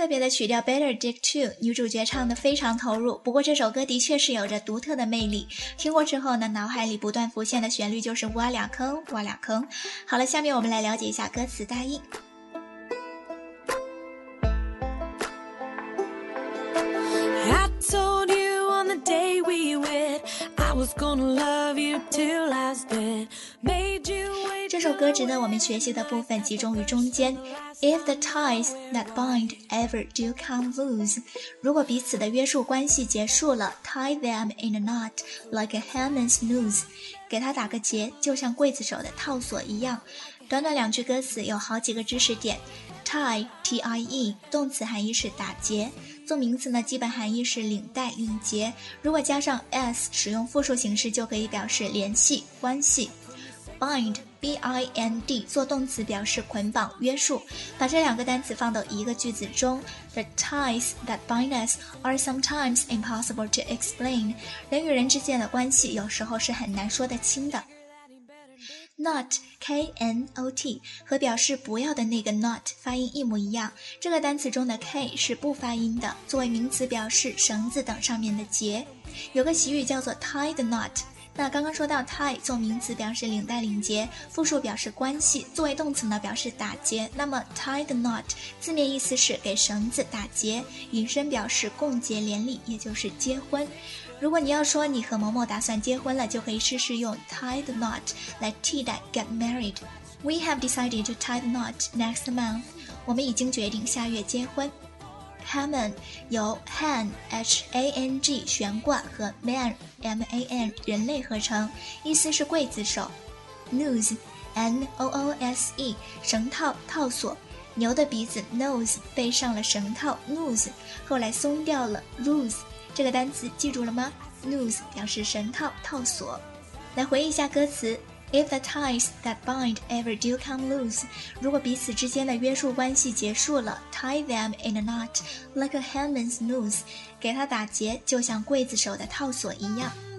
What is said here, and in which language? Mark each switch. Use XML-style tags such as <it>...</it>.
<zh>曲调 Better Dig Two， 女主角唱得非常投入，不过这首歌的确是有着独特的魅力，听过之后呢，脑海里不断浮现的旋律就是挖两坑挖两坑。好了，下面我们来了解一下歌词大意。</zh> <en>I told you on the day we went I was gonna love you till I spent Made you wait。</en> <zh>这首歌值得我们学习的部分集中于中间。</zh> <en>If the ties that bind ever do come loose，</en> <zh>如果彼此的约束关系结束了，</zh> <en>tie them in a knot like a hangman's noose，</en> <zh>给它打个结，就像刽子手的套索一样。短短两句歌词有好几个知识点。 tie, T-I-E， 动词含义是打结。做名词呢基本含义是领带、领结，如果加上 s 使用复数形式就可以表示联系、关系。 bind B-I-N-D 做动词表示捆绑、约束。把这两个单词放到一个句子中，</zh> <en>The ties that bind us are sometimes impossible to explain.</en> <zh>人与人之间的关系有时候是很难说得清的。Not, K-N-O-T, 和表示不要的那个 not 发音一模一样。这个单词中的 K 是不发音的，作为名词表示绳子等上面的结。有个习语叫做 tie the knot。那刚刚说到 tie 做名词表示领带领结，复数表示关系，作为动词呢表示打结，那么 tie the knot 字面意思是给绳子打结，引申表示共结连理，也就是结婚。如果你要说你和某某打算结婚了，就可以试试用 tie the knot 来替代 get married。</zh> <en>We have decided to tie the knot next month，</en> <zh>我们已经决定下月结婚。 Hammon 由 Han H-A-N-G 悬挂和 Man M-A-N 人类合成，意思是刽子手。 Noose N-O-O-S-E 绳套、套索。牛的鼻子 Nose 背上了绳套 Noose 后来松掉了 Loose， 这个单词记住了吗？ Noose 表示绳套、套索。来回忆一下歌词。</zh> <en>If the ties that bind ever do come loose，</en> <zh>如果彼此之间的约束关系结束了，</zh> <en>tie them in a knot like a hangman's noose，</en> <zh>给他打结就像刽子手的套索一样。</zh>